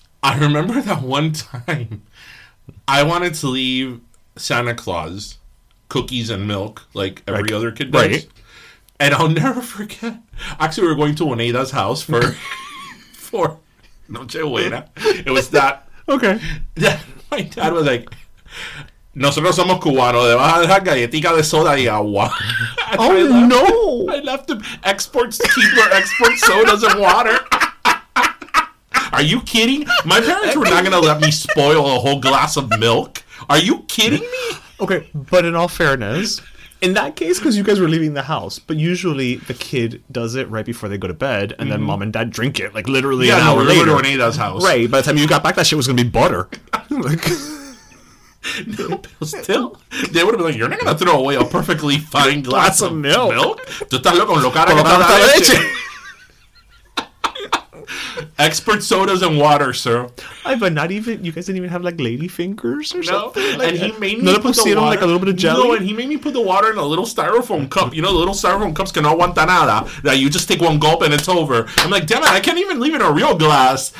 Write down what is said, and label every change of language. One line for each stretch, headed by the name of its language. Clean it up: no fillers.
English: I remember that one time I wanted to leave Santa Claus cookies and milk, like every other kid does. Right. And I'll never forget. Actually, we were going to Oneida's house for for Noche Buena. It was that. Okay. That my dad was like,
Spanish: nosotros somos cubanos. Le vas a dejar galletica de soda y agua.
English: Oh, no. I left him exports, Keebler export sodas and water. Are you kidding? My parents were not going to let me spoil a whole glass of milk. Are you kidding me? Okay, but in all fairness, in that case, because you guys were leaving the house, but usually the kid does it right before they go to bed, and then mom and dad drink it, like literally an hour later. Yeah, we're going to Oneida's house. Right, by the time you got back, that shit was going to be butter. Like, no, but still, they would have been like, you're not going to throw away a perfectly fine glass of milk.
Spanish: Tú estás loco, lo cara que está la leche.
English: Expert sodas and water, sir. I, but not even, you guys didn't even have like lady fingers or something? Like, and he made me put the water, like a little bit of jelly. No, and he made me put the water in a little styrofoam cup. You know, the little styrofoam cups can
Spanish: no aguanta nada.
English: That you just take one gulp and it's over. I'm like, damn it, I can't even leave it in a real glass.